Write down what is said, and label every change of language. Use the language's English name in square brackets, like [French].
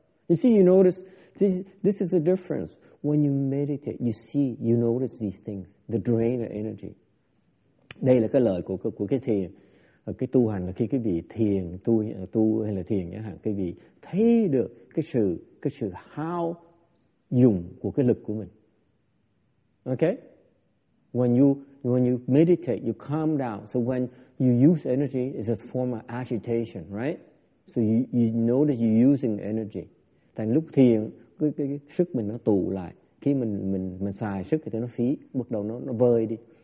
[English] You see, you notice, this is the difference. When you meditate, you see, you notice these things, the drain of energy. [Vietnamese] Đây là cái lời của cái thiền. Cái tu hành là khi cái vị thiền, tu hay là thiền nhá, cái vị thấy được cái sự hao dùng của cái lực của mình. [English] Okay? When you meditate, you calm down. So when you use energy, it's a form of agitation, right? So you know that you're using energy. [Vietnamese] Tại lúc thiền, cái sức mình nó tụ lại. Khi mình xài sức thì nó phí, bắt đầu nó vơi đi.